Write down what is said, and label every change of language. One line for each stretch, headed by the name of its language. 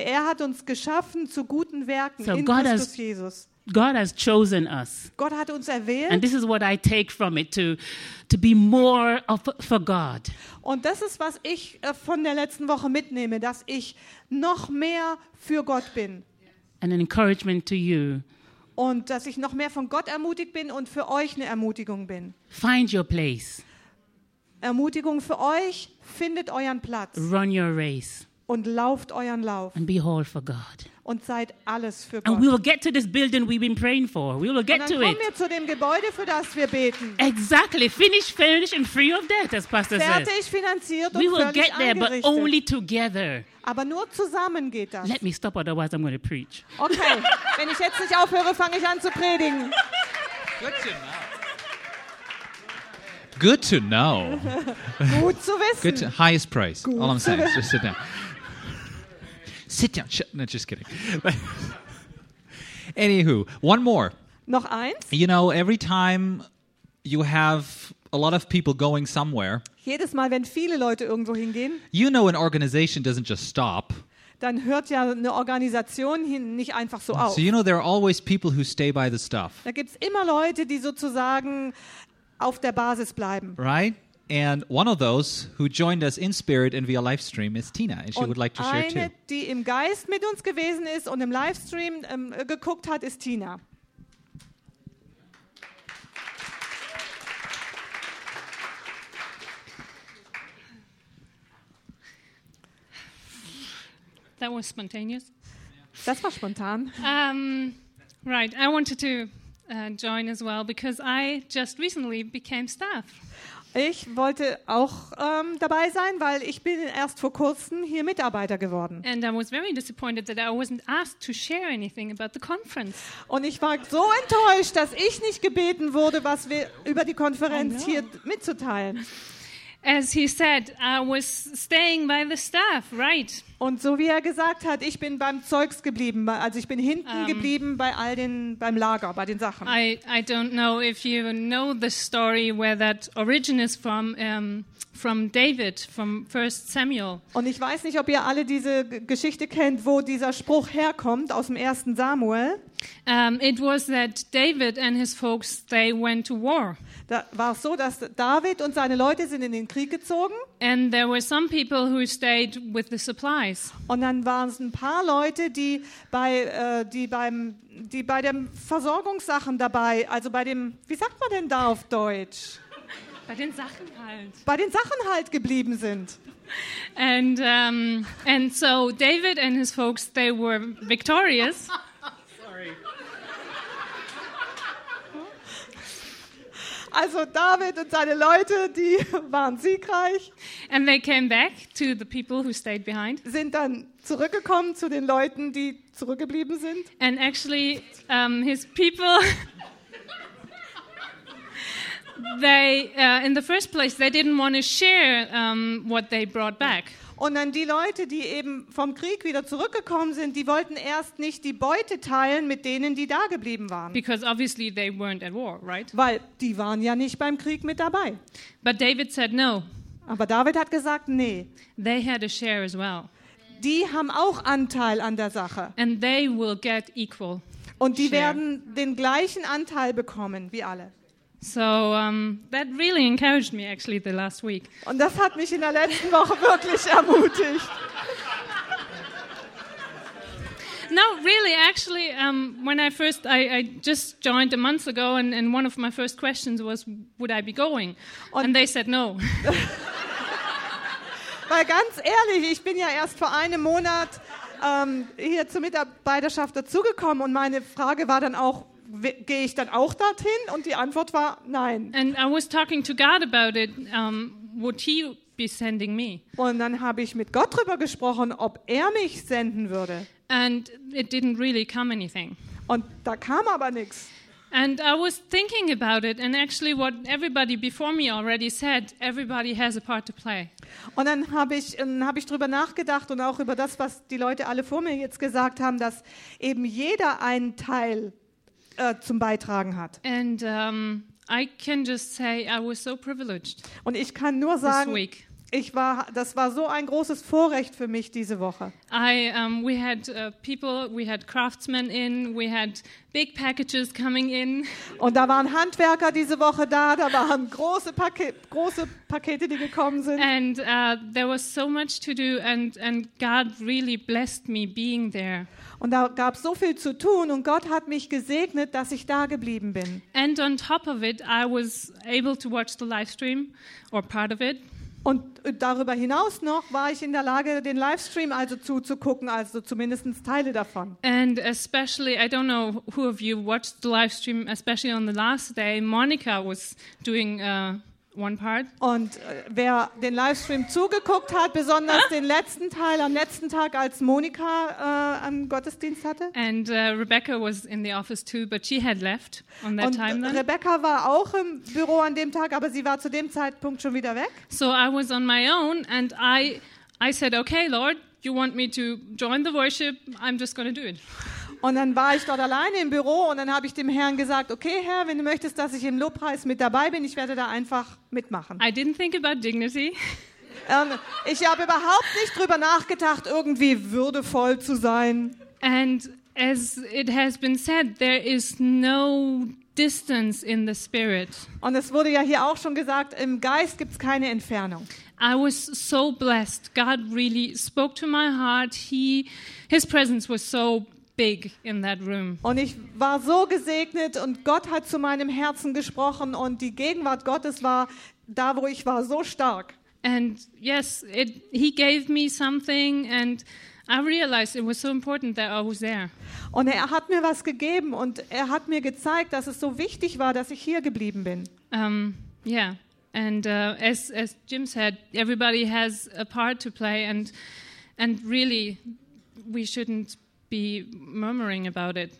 German: Er hat uns geschaffen zu guten Werken in Christus Jesus.
English: God has chosen us.
German: Gott hat uns erwählt.
English: And this is what I take from it, to be more of for God.
German: Und das ist, was ich von der letzten Woche mitnehme, dass ich noch mehr für Gott bin.
English: An encouragement to you.
German: Und dass ich noch mehr von Gott ermutigt bin und für euch eine Ermutigung bin.
English: Find your place.
German: Ermutigung für euch, findet euren Platz.
English: Run your race.
German: Und lauft euren Lauf.
English: And be whole for God.
German: Und seid alles für Gott.
English: And we will get to this building we've been praying for. We will get to it.
German: Und dann kommen wir zu dem Gebäude, für das wir beten.
English: Exactly. Finished and free of debt, as Pastor
German: fertig,
English: says.
German: Fertig, finanziert
English: we
German: und völlig
English: get there,
German: eingerichtet.
English: But only together.
German: Aber nur zusammen geht das.
English: Let me stop, otherwise I'm going to preach. Okay.
German: Wenn ich jetzt nicht aufhöre, fange ich an zu predigen.
English: Good to know. Good to know.
German: Gut zu wissen.
English: Highest praise. All I'm saying is just sit down. sit down. No, just kidding. Anywho, one more.
German: Noch eins.
English: You know, every time you have a lot of people going somewhere.
German: Jedes Mal, wenn viele Leute irgendwo hingehen.
English: You know, an organization doesn't just stop.
German: Dann hört ja eine Organisation nicht einfach so auf.
English: So you know, there are always people who stay by the stuff.
German: Da gibt's immer Leute, die sozusagen auf der Basis bleiben.
English: Right? And one of those who joined us in spirit and via live stream is Tina, and she
German: und
English: would like to share too.
German: Und eine, die im Geist mit uns gewesen ist und im Livestream geguckt hat, ist Tina.
English: That was spontaneous.
German: Das war spontan.
English: Right, I wanted to join as well because I just recently became staff.
German: Ich wollte auch dabei sein, weil ich bin erst vor kurzem hier Mitarbeiter geworden.
English: And I was very disappointed that I wasn't asked to share anything about the conference.
German: Und ich war so enttäuscht, dass ich nicht gebeten wurde, was wir über die Konferenz hier mitzuteilen.
English: As he said, I was staying by the staff, right?
German: Und so wie er gesagt hat, ich bin beim Zeugs geblieben, also ich bin hinten geblieben bei all den beim Lager, bei den Sachen.
English: I don't know if you know the story where that origin is from, from David, from 1 Samuel.
German: Und ich weiß nicht, ob ihr alle diese Geschichte kennt, wo dieser Spruch herkommt aus dem 1. Samuel.
English: It was that David and his folks, they went to war.
German: Da war es so, dass David und seine Leute sind in den Krieg gezogen.
English: And there were some people who stayed with the supplies.
German: Und dann waren es ein paar Leute, die bei den Versorgungssachen dabei, also bei dem, wie sagt man denn da auf Deutsch? Bei den Sachen halt geblieben sind.
English: And and so David and his folks, they were victorious.
German: Also David und seine Leute, die waren siegreich.
English: And they came back to the people who stayed behind.
German: Sind dann zurückgekommen zu den Leuten, die zurückgeblieben sind.
English: And actually his people they in the first place they didn't want to share what they brought back.
German: Und dann die Leute, die eben vom Krieg wieder zurückgekommen sind, die wollten erst nicht die Beute teilen mit denen, die da geblieben waren.
English: Because obviously they weren't at war, right?
German: Weil die waren ja nicht beim Krieg mit dabei.
English: But David said no.
German: Aber David hat gesagt, nee.
English: They had a share as well.
German: Die haben auch Anteil an der Sache.
English: And they will get equal.
German: Und die share. Werden den gleichen Anteil bekommen wie alle.
English: So that really encouraged me actually the last week.
German: Und das hat mich in der letzten Woche wirklich ermutigt.
English: No, really, actually, when I first, I just joined a month ago and one of my first questions was, would I be going? And they said no.
German: Weil ganz ehrlich, ich bin ja erst vor einem Monat hier zur Mitarbeiterschaft dazugekommen und meine Frage war dann auch, gehe ich dann auch dorthin? Und die Antwort war nein.
English: And I was talking to God about it. Would he be sending me?
German: Und dann habe ich mit Gott drüber gesprochen, ob er mich senden würde.
English: And it didn't really come anything.
German: Und da kam aber nichts.
English: And I was thinking about it and actually what everybody before me already said, everybody has a part to play.
German: Und dann habe ich drüber nachgedacht und auch über das, was die Leute alle vor mir jetzt gesagt haben, dass eben jeder einen Teil zum Beitragen hat.
English: And I can just say I was so privileged.
German: Und ich kann nur sagen, das war so ein großes Vorrecht für mich diese Woche.
English: We had people, we had craftsmen in, we had big packages coming in.
German: Und da waren Handwerker diese Woche da, da waren große Pakete, die gekommen sind.
English: And there was so much to do and God really blessed me being there.
German: Und da gab es so viel zu tun und Gott hat mich gesegnet, dass ich da geblieben bin.
English: And on top of it, I was able to watch the live stream or part of it.
German: Und darüber hinaus noch war ich in der Lage, den Livestream also zuzugucken, also zumindest Teile davon.
English: And especially, I don't know who of you watched the live stream, especially on the last day, Monica was doing one part.
German: Und wer den Livestream zugeguckt hat, besonders den letzten Teil am letzten Tag, als Monika am Gottesdienst hatte.
English: And Rebecca was in the office too, but she had left on that
German: und
English: time then.
German: Rebecca war auch im Büro an dem Tag, aber sie war zu dem Zeitpunkt schon wieder weg.
English: So I was on my own and I said, okay, Lord, you want me to join the worship, I'm just going to do it.
German: Und dann war ich dort alleine im Büro und dann habe ich dem Herrn gesagt, okay, Herr, wenn du möchtest, dass ich im Lobpreis mit dabei bin, ich werde da einfach mitmachen.
English: I didn't think about dignity.
German: Ich habe überhaupt nicht drüber nachgedacht, irgendwie würdevoll zu sein.
English: And as it has been said, there is no distance in the spirit.
German: Und es wurde ja hier auch schon gesagt, im Geist gibt es keine Entfernung.
English: I was so blessed. God really spoke to my heart. His presence was so big in that room.
German: Und ich war so gesegnet und Gott hat zu meinem Herzen gesprochen und die Gegenwart Gottes war da, wo ich war, so stark.
English: And yes, he gave me something and I realized it was so important that I was there.
German: Und er hat mir was gegeben und er hat mir gezeigt, dass es so wichtig war, dass ich hier geblieben bin.
English: Yeah. And as Jim said, everybody has a part to play and really we shouldn't be murmuring about it.